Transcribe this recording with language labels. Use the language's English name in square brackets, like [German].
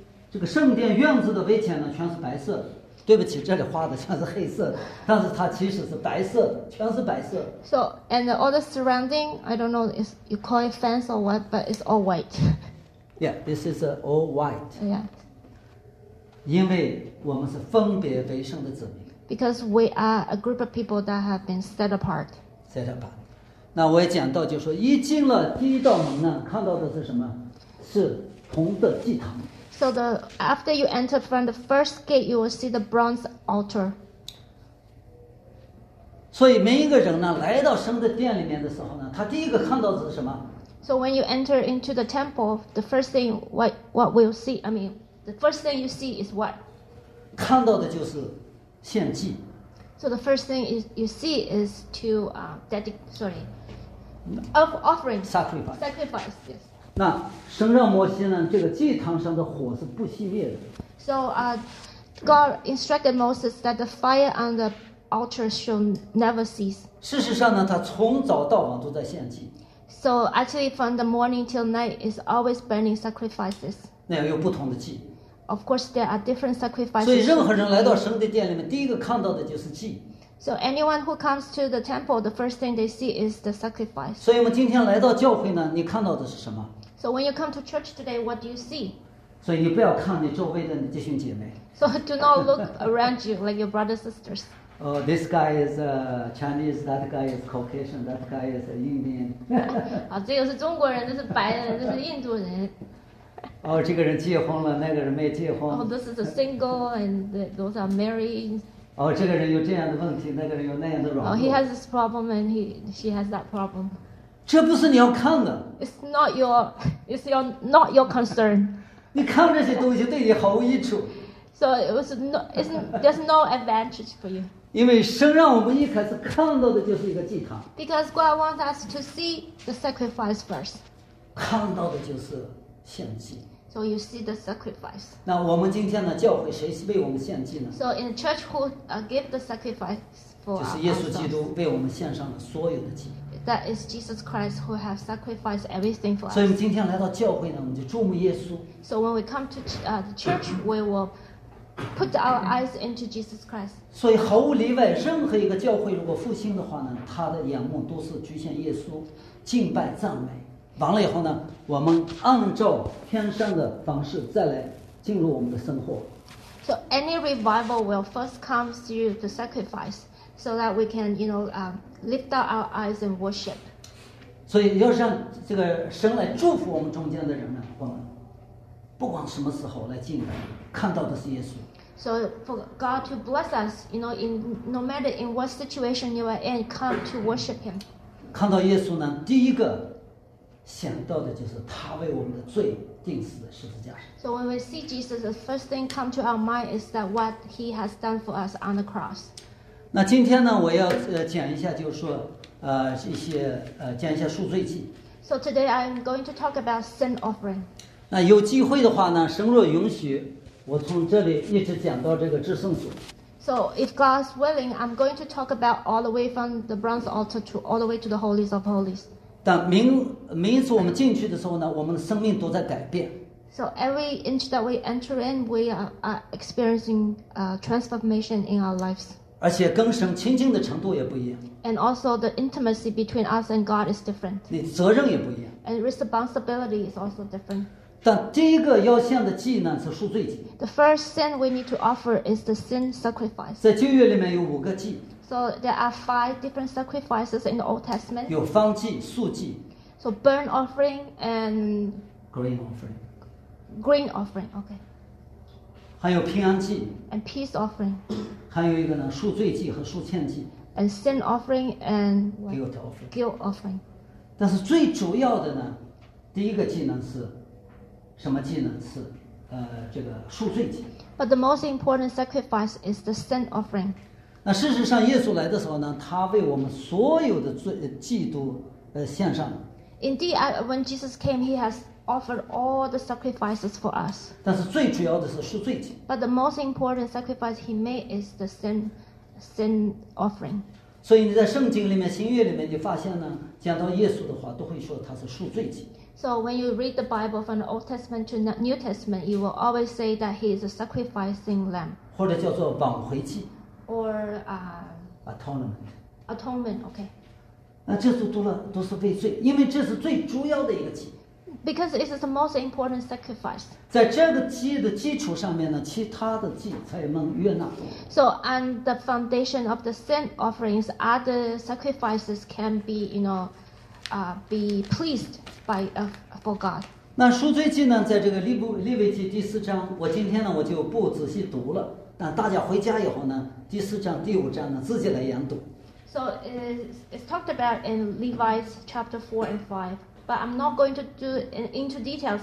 [Chinese] 这个圣殿院子的围墙呢，全是白色的。对不起，这里画的全是黑色的，但是它其实是白色的，全是白色的。 [English] So and all the surrounding, I don't know, is you call it fence or what, but it's all white. Yeah, this is all white. Yeah. [Chinese] 因为我们是分别为圣的子民。 [English] Because we are a group of people that have been set apart. Set apart. [Chinese] 那我也讲到，就是说一进了第一道门呢，看到的是什么？是。 [English] So the after you enter from the first gate, you will see the bronze altar. [Chinese] 所以每一个人呢，来到神的殿里面的时候呢，他第一个看到的是什么？ [English] So when you enter into the temple, the first thing what we'll see, I mean, the first thing you see is what? [Chinese] 看到的就是献祭。 [English] So the first thing is you see is to of offering sacrifice. Yes. [Chinese] 那神让摩西呢，这个祭坛上的火是不熄灭的。 [English] So, God instructed Moses that the fire on the altar shall never cease. [Chinese] 事实上呢，他从早到晚都在献祭。 [English] So actually, from the morning till night, is always burning sacrifices. [Chinese] 那有不同的祭。 [English] Of course, there are different sacrifices. [Chinese] 所以任何人来到神的殿里面，第一个看到的就是祭。 [English] So anyone who comes to the temple, the first thing they see is the sacrifice. [Chinese] 所以我们今天来到教会呢，你看到的是什么？ [English] So when you come to church today, what do you see? [Chinese] 所以你不要看你周围的弟兄姐妹。 [English] So do not look around you like your brothers and sisters. Oh, this guy is Chinese, that guy is Caucasian, that guy is Indian. [Chinese] 啊，这个是中国人，这是白人，这是印度人。哦，这个人结婚了，那个人没结婚。 [English] Oh, this is a single and those are married. [Chinese] 哦，这个人有这样的问题，那个人有那样的软弱。 [English] Oh, he has this problem and she has that problem. [Chinese] 这不是你要看的。 [English] It's not your concern. [Chinese] 你看这些东西对你毫无益处。 [English] So there's no advantage for you. [Chinese] 因为神让我们一开始看到的就是一个祭坛。 [English] Because God wants us to see the sacrifice first. [Chinese] 看到的就是献祭。 [English] So you see the sacrifice. [Chinese] 那我们今天呢？教会谁是为我们献祭呢 [English] ？So in the church, who give the sacrifice for us? [Chinese] 就是耶稣基督为我们献上了所有的祭。 [English] That is Jesus Christ who has sacrificed everything for us. [Chinese] 所以我们今天来到教会呢，我们就注目耶稣。 [English] So when we come to the church, we will put our eyes into Jesus Christ. [Chinese] 所以毫无例外，任何一个教会如果复兴的话呢，他的眼目都是局限耶稣，敬拜赞美。完了以后呢，我们按照天上的方式再来进入我们的生活。 [English] So any revival will first come through the sacrifice, so that we can, you know, lift up our eyes and worship. [Chinese] 所以要让这个神来祝福我们中间的人呢，我们不管什么时候来敬拜，看到的是耶稣。 [English] So for God to bless us, you know, in no matter in what situation you are in, come to worship Him. [Chinese] 看到耶稣呢，第一个。想到的就是他为我们的罪钉死的十字架上。 [English] So when we see Jesus, the first thing come to our mind is that what He has done for us on the cross. [Chinese] 那今天呢，我要讲一下，就是说，一些讲一下赎罪祭。 [English] So today I'm going to talk about sin offering. [Chinese] 那有机会的话呢，神若允许，我从这里一直讲到这个至圣所。 [English] So if God's willing, I'm going to talk about all the way from the bronze altar to all the way to the holies of holies. [Chinese] 但每一次我们进去的时候呢，我们的生命都在改变。 [English] So every inch that we enter in, we are experiencing transformation in our lives. [Chinese] 而且更深亲近的程度也不一样。 [English] And also the intimacy between us and God is different. [Chinese] 你责任也不一样。 [English] And responsibility is also different. [Chinese] 但第一个要献的祭呢，是赎罪祭。 [English] The first sin we need to offer is the sin sacrifice. [Chinese] 在旧约里面有五个祭。 [English] So there are five different sacrifices in the Old Testament. [Chinese] 有燔祭、素祭。 [English] So burnt offering and grain offering. Grain offering, okay. [Chinese] 还有平安祭。 [English] And peace offering. [Chinese] 还有一个呢，赎罪祭和赎愆祭。 [English] And sin offering and guilt offering. Guilt offering. [Chinese] 但是最主要的呢，第一个祭呢是什么祭呢？是这个赎罪祭。 [English] But the most important sacrifice is the sin offering. [Chinese] 那事实上，耶稣来的时候呢，他为我们所有的罪祭都献上了。 [English] Indeed, when Jesus came, he has offered all the sacrifices for us. [Chinese] 但是最主要的是赎罪祭。 [English] But the most important sacrifice he made is the sin offering. [Chinese] 所以你在圣经里面、新约里面，你发现呢，讲到耶稣的话，都会说他是赎罪祭。 [English] So when you read the Bible from the Old Testament to the New Testament, you will always say that he is a sacrificing lamb. [Chinese] 或者叫做挽回祭。 [English] Or atonement. Atonement, okay. [Chinese] 那这次读了都是为罪，因为这是最主要的一个祭。 [English] Because it is the most important sacrifice. [Chinese] 在这个祭的基础上面呢，其他的祭才能悦纳。 [English] So on the foundation of the sin offerings, other sacrifices can be, you know, be pleased by for God. [Chinese] 那赎罪祭呢，在这个利未记第四章，我今天呢我就不仔细读了。但大家回家以后呢，第四章、第五章呢，自己来研读。 [English] So it's talked about in Levites chapter 4 and 5, but I'm not going to do it into details.